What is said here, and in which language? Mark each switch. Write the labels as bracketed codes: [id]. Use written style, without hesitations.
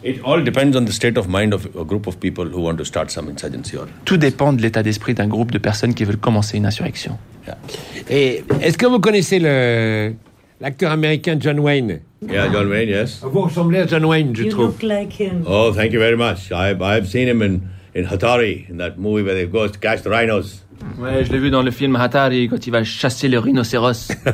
[en] It all depends on the state of mind of a group of people who want to start some insurgency. [fr] Tout dépend de l'état d'esprit d'un groupe de personnes qui veulent commencer une insurrection. [en] Yeah. [fr] Et est-ce que vous connaissez l'acteur américain John Wayne? [en] Yeah, John Wayne, yes. [fr] Vous ressemblez à John Wayne, je trouve. [en] You look like him. Oh, thank you very much. I've seen him in in Hatari, in that movie where the ghost catch the rhinos. [fr] Ouais, je l'ai vu dans le film Hatari, quand il va chasser le rhinocéros.